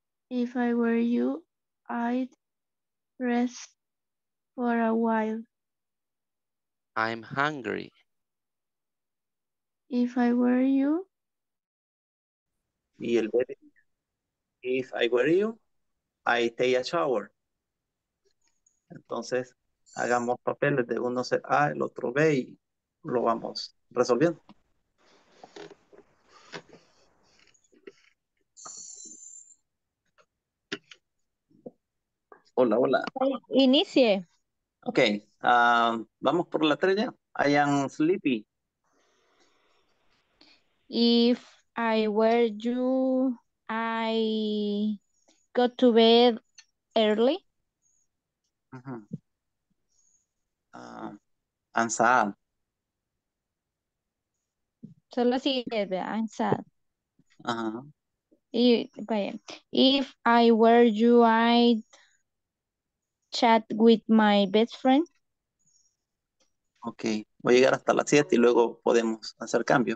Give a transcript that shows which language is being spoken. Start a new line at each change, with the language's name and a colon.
English: If I were you, I'd rest for a while. I'm hungry. If I were you. If I were you, I'd take a shower.
Spanish: Entonces, hagamos papeles de uno ser A, el otro B, y lo vamos resolviendo. Hola, hola. Inicie. Ok, vamos por la tres ya.
English: I am sleepy. If I were you, I go to bed early. Uh-huh. I'm sad.
Spanish: Solo sigue, ¿verdad?
English: I'm sad. Uh-huh. If I were you, I'd chat with my best friend.
Spanish: Okay, voy a llegar hasta las 7 y luego podemos hacer cambio.